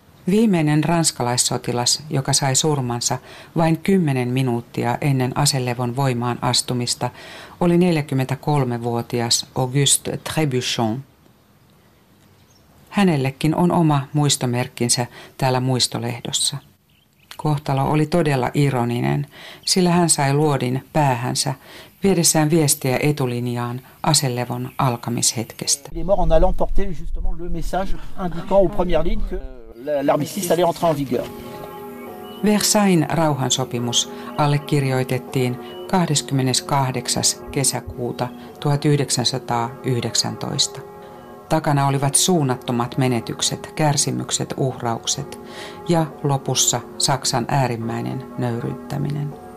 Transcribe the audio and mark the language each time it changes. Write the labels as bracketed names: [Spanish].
[Finnish] Viimeinen ranskalaissotilas, joka sai surmansa vain 10 minuuttia ennen aselevon voimaan astumista, oli 43-vuotias Auguste Trébuchon. Hänellekin on oma muistomerkkinsä täällä muistolehdossa. Kohtalo oli todella ironinen, sillä hän sai luodin päähänsä viedessään viestiä etulinjaan aselevon alkamishetkestä. [French] Il est mort en allant porter justement le message indiquant aux premières lignes que l'armistice allait entrer en vigueur. [Finnish] Versailles rauhansopimus allekirjoitettiin 28. kesäkuuta 1919. Takana olivat suunnattomat menetykset, kärsimykset, uhraukset ja lopussa Saksan äärimmäinen nöyryyttäminen.